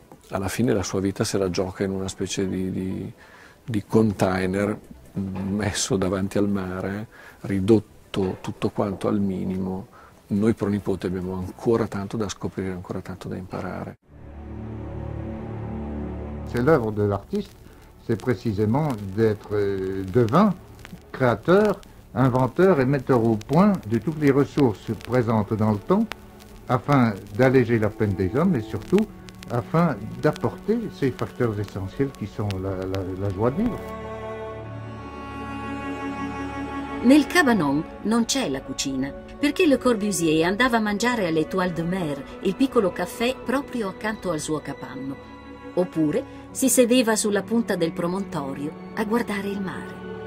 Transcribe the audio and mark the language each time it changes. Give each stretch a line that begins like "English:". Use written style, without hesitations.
Italian: Alla fine la sua vita se la gioca in una specie di container messo davanti al mare, ridotto tutto quanto al minimo. Noi pronipoti abbiamo ancora tanto da scoprire, ancora tanto da imparare.
French: C'est l'œuvre de l'artiste, c'est précisément d'être devin, créateur, inventeur et metteur au point de toutes les ressources présentes dans le temps afin d'alléger la peine des hommes et surtout afin d'apporter ces facteurs essentiels qui sont la joie de vivre.
Italian: Nel cabanon non c'è la cucina, perché Le Corbusier andava a mangiare all'Étoile de Mer, il piccolo caffè proprio accanto al suo capanno. Oppure si sedeva sulla punta del promontorio a guardare il mare.